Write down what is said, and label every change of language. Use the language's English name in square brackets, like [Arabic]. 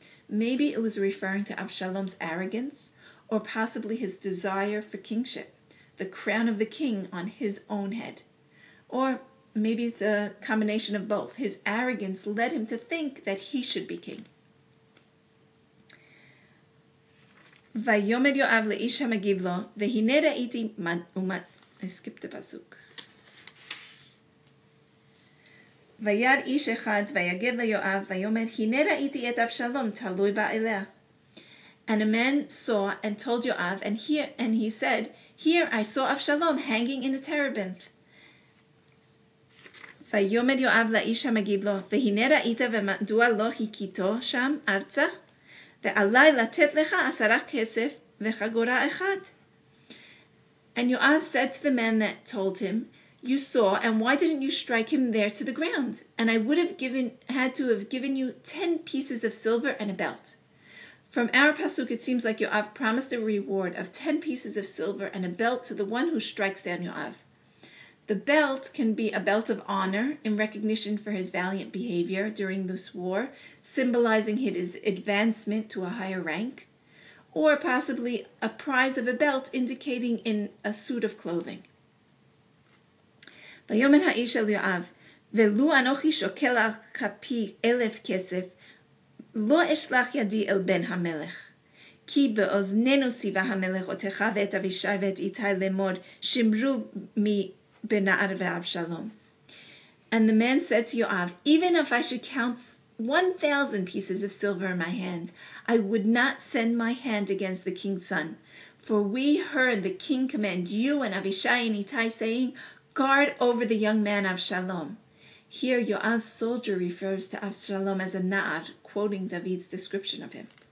[English] Maybe it was referring to Avshalom's arrogance, or possibly his desire for kingship, the crown of the king on his own head. Or maybe it's a combination of both. His arrogance led him to think that he should be king. [Hebrew] ויאמר יואב לאיש המגיד לו, והנה ראיתי מד... [English] I skipped the pasuk. [Hebrew] וירא איש אחד ויגד ליואב ויאמר, הנה ראיתי את אבשלום תלוי באליה. [English] And a man saw and told Yoav, and he said, here I saw Avshalom hanging in a terebinth. [Hebrew] ויאמר יואב לאיש המגיד לו, והנה ראית ומדוע לא חיכיתו שם ארצה? ועלי לתת לך 10 כסף וחגורה אחת. [English] And Yoav said to the man that told him, you saw, and why didn't you strike him there to the ground? And I would have had to have given you 10 pieces of silver and a belt. From our pasuk, it seems like Yoav promised a reward of 10 pieces of silver and a belt to the one who strikes down Yoav. The belt can be a belt of honor in recognition for his valiant behavior during this war, symbolizing his advancement to a higher rank, or possibly a prize of a belt indicating in a suit of clothing. [Hebrew] ויאמר האיש אל יואב, ולו אנוכי שוקל על כפי 1,000 כסף, לא אשלח ידי אל בן המלך. כי באוזננו ציווה המלך אותך ואת אבישי ואת איתי לאמור, שמרו מבנער ואבשלום. [English] And the man said to Yoav, even if I should count 1,000 pieces of silver in my hand. I would not send my hand against the king's son. For we heard the king command you and Avishai and Ittai, saying, guard over the young man Avshalom. Here Yoav's soldier refers to Avshalom as a na'ar, quoting David's description of him.